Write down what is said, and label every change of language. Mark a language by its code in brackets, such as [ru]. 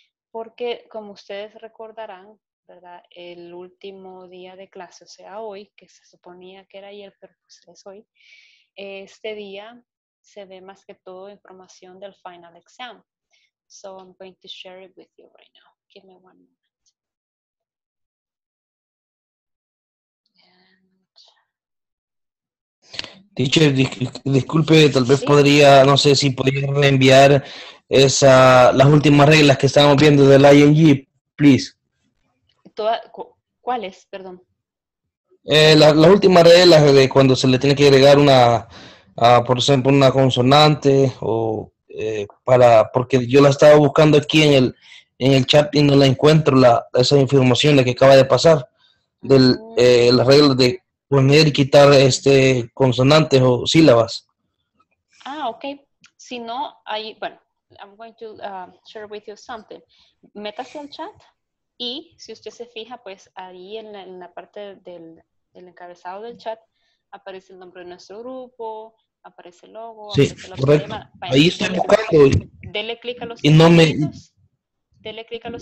[es] Porque como ustedes recordarán, ¿verdad? El último día de clase, o sea, hoy, que se suponía que era ayer, pero pues es hoy. Este día se ve más que todo información del final exam. [en] So I'm going to share it with you right now. Give me one moment. [es] Teacher, disculpe, tal vez sí. Podría, no sé si podría reenviar esa, las últimas reglas que estábamos viendo del ING, please. ¿Cuáles? Perdón. Las últimas reglas de cuando se le tiene que agregar una, por ejemplo, una consonante o porque yo la estaba buscando aquí en el chat y no la encuentro, esa información, la que acaba de pasar, del las reglas de poner y quitar consonantes o sílabas. Ah, okay. Si no, [en] I'm going to share with you something. [es] Métase al chat y si usted se fija, pues ahí en la parte del encabezado del chat aparece el nombre de nuestro grupo, aparece el logo. Sí, correcto. Ahí estoy buscando. Dele clic a los y no me. Dele clic a los.